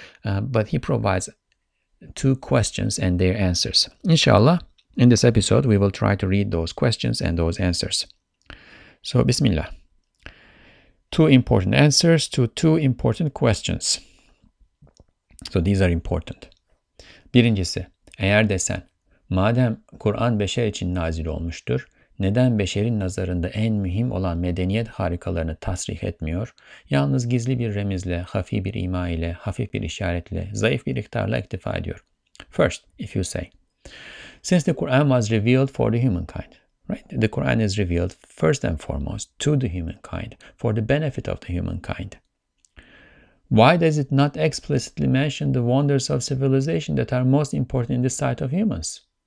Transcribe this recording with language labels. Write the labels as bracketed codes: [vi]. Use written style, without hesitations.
[en] But he provides two questions and their answers. Inshallah, in this episode, we will try to read those questions and those answers. So, Bismillah. Two important answers to two important questions. So these are important. [tr] Birincisi, eğer desen, madem Kur'an beşer için nazil olmuştur, neden beşerin nazarında en mühim olan medeniyet harikalarını tasrih etmiyor, yalnız gizli bir remizle, hafi bir ima ile, hafif bir işaretle, zayıf bir iktarla iktifa ediyor? [en] First, if you say, since the Quran was revealed for the humankind, right? The Quran is revealed first and foremost to the humankind, for the benefit of the humankind. Why does it not explicitly mention the wonders of civilization that are most important in the sight of humans?